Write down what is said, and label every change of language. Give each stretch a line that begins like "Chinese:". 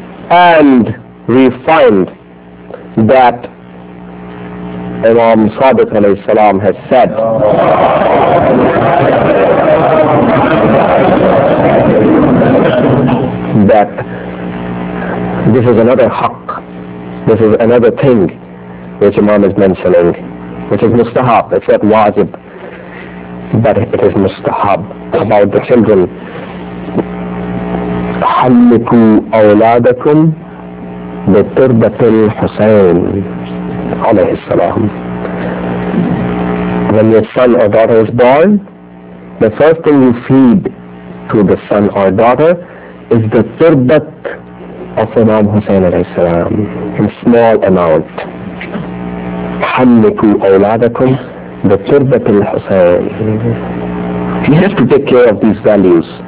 English: And we find that Imam Sadiq alayhi salam has said, that this is another haqq. This is another thing which Imam is mentioning, which is mustahab, it's not wajib, but it is mustahab about the children.
Arabic: حلقوا أولادكم بتربة الحسين عليه السلام.
English: When your son or daughter is born, the first thing you feed to the son or daughter is the turbat of Imam Hussain alayhi salam, in small amount.
Arabic: حَلِّكُوا أَوْلَادَكُمْ بِتُرْبَةِ الْحُسَيْنِ.
English: You have to take care of these values.